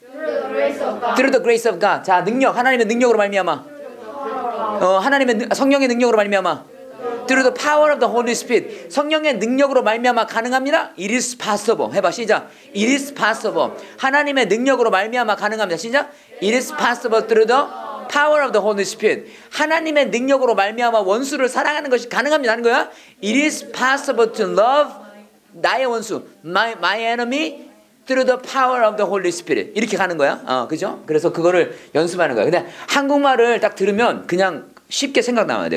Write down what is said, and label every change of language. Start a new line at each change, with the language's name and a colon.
English: Through the grace of God.
Korean: 자, 능력. 하나님의 능력으로 말미암아. 하나님의 성령의 능력으로 말미암아.
English: Through the power of the Holy Spirit.
Korean: 성령의 능력으로 말미암아 가능합니다.
English: It is possible.
Korean: 해봐. 시작.
English: It is possible.
Korean: 하나님의 능력으로 말미암아 가능합니다. 시작.
English: It is possible through the Power of the Holy Spirit.
Korean: 하나님의 능력으로 말미암아 원수를 사랑하는 것이 가능합니다. 하는 거야?
English: It is possible to love
Korean: 나의 원수,
English: my enemy through the power of the Holy Spirit.
Korean: 이렇게 가는 거야. 그죠? 그래서 그거를 연습하는 거야. 근데 한국말을 딱 들으면 그냥 쉽게 생각 나와야 돼.